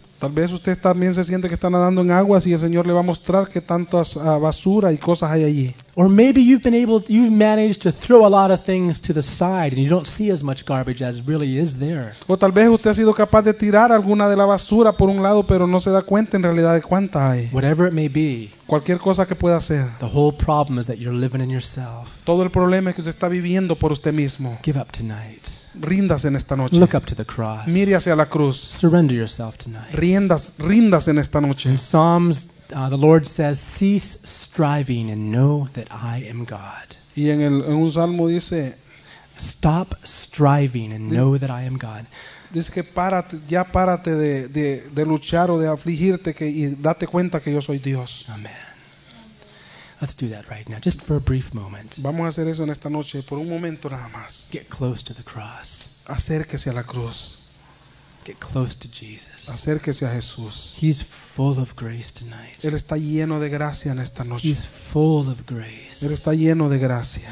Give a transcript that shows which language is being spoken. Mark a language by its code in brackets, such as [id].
[es] Tal vez usted también se siente que está nadando en aguas y el Señor le va a mostrar que tantas basura y cosas hay allí. [en] Or maybe you've managed to throw a lot of things to the side and you don't see as much garbage as really is there. [es] O tal vez usted ha sido capaz de tirar alguna de la basura por un lado pero no se da cuenta en realidad de cuánta hay. [en] Whatever it may be. [es] Cualquier cosa que pueda ser. [en] The whole problem is that you're living in yourself. [es] Todo el problema es que usted está viviendo por usted mismo. [en] Give up tonight. [es] Ríndase en esta noche. [en] Look up to the cross. [es] Mire hacia la cruz. [en] Surrender yourself tonight. [es] Ríndase en esta noche. [en] In Psalms, the Lord says, "Cease striving and know that I am God." [es] Y en un salmo dice, [en] "Stop striving and know that I am God." [es] Dice que párate de luchar o de afligirte que y date cuenta que yo soy Dios. [en] Amen. Let's do that right now, just for a brief moment. [es] Vamos a hacer eso en esta noche por un momento nada más. [en] Get close to the cross. [es] Acérquese a la cruz. [en] Get close to Jesus. [es] Acérquese a Jesús. [en] He's full of grace tonight. [es] Él está lleno de gracia en esta noche. [en] He's full of grace. [es] Él está lleno de gracia.